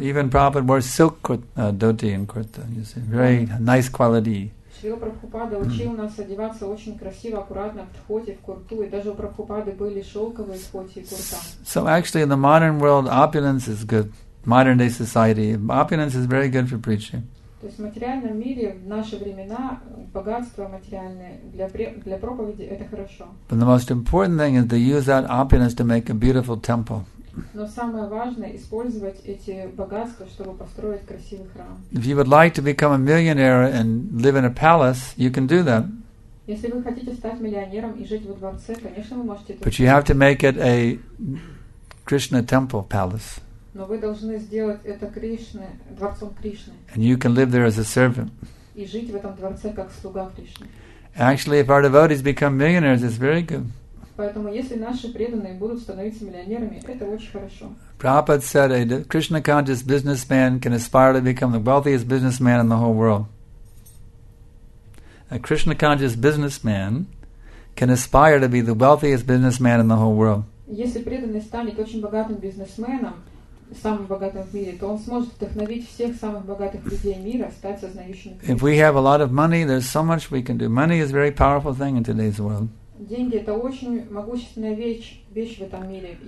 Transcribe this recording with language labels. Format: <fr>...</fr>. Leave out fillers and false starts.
<en>Even Prabhupada wore silk kurta, dhoti and kurta, you see. Very nice quality.</en> <ru>Шрила Прабхупада учил нас одеваться очень красиво, аккуратно в тхоте, в курту, и даже у Прабхупады были шелковые тхоти и курта.</ru> <en>So actually in the modern world opulence is good. Modern day society, opulence is very good for preaching.</en> <ru>То есть в материальном мире в наши времена богатство материальное для проповеди это хорошо.</ru> <en>But the most important thing is to use that opulence to make a beautiful temple.</en> <ru>Но самое важное использовать эти богатства, чтобы построить красивый храм.</ru> <en>If you would like to become a millionaire and live in a palace, you can do that.</en> <ru>Если вы хотите стать миллионером и жить во дворце, конечно, вы можете.</ru> <en>But you have to make it a Krishna temple palace.</en> <ru>Но вы должны сделать это Кришны, дворцом Кришны.</ru> <en>And you can live there as a servant.</en> <ru>И жить в этом дворце как слуга Кришны.</ru> <en>Actually, if our devotees become millionaires, it's very good.</en> <ru>Поэтому, если наши преданные будут становиться миллионерами, это очень хорошо.</ru> <en>Prabhupada said, a Krishna conscious businessman can aspire to become the wealthiest businessman in the whole world. a Krishna conscious businessman can aspire to be the wealthiest businessman in the whole world.</en> <ru>Если преданный станет очень богатым бизнесменом, самым богатым в мире, то он сможет вдохновить всех самых богатых людей мира стать сознающими Кришной.</ru> <en>If we have a lot of money, there's so much we can do. Money is a very powerful thing in today's world.</en> <ru>Деньги — это очень могущественная вещь в этом мире.</ru>